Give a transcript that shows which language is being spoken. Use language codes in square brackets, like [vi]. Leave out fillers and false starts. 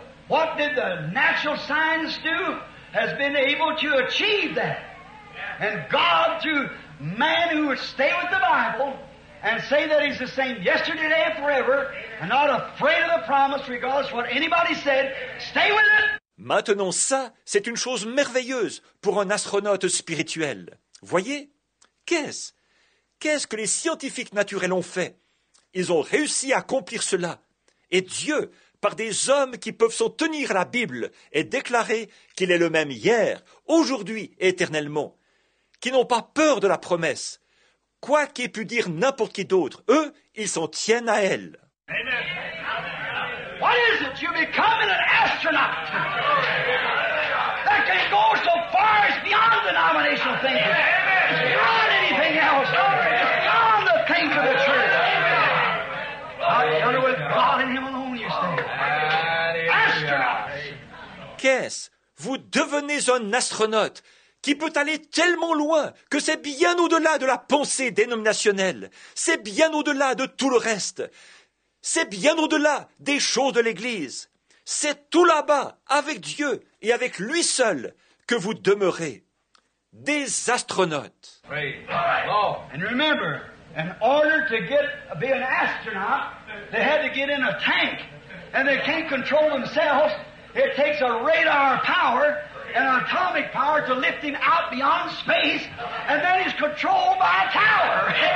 [en] What did the natural science do? Has been able to achieve that. And God, through man who would stay with the Bible and say that he's the same yesterday, today, and forever, and not afraid of the promise, regardless of what anybody said, stay with it. [fr] Maintenant, ça, c'est une chose merveilleuse pour un astronaute spirituel. Voyez? Qu'est-ce? Qu'est-ce que les scientifiques naturels ont fait? Ils ont réussi à accomplir cela. Et Dieu, par des hommes qui peuvent s'en tenir à la Bible et déclarer qu'il est le même hier, aujourd'hui et éternellement, qui n'ont pas peur de la promesse, quoi qu'ait pu dire n'importe qui d'autre, eux, ils s'en tiennent à elle. [en] What is it? You're becoming an astronaut that can go so far as beyond the nomination thing. It's beyond anything else. It's beyond the things of the church. I'll tell you with God and Him alone, you say. Astronauts. [fr] Qu'est-ce? Vous devenez un astronaute qui peut aller tellement loin que c'est bien au-delà de la pensée dénominationnelle. C'est bien au-delà de tout le reste. C'est bien au-delà des choses de l'Église. C'est tout là-bas, avec Dieu et avec lui seul, que vous demeurez. Des astronautes. [en] And remember, in order to be an astronaut, they had to get in a tank. And they can't control themselves. It takes a radar power and atomic power to lift him out beyond space, and then he's controlled by a tower.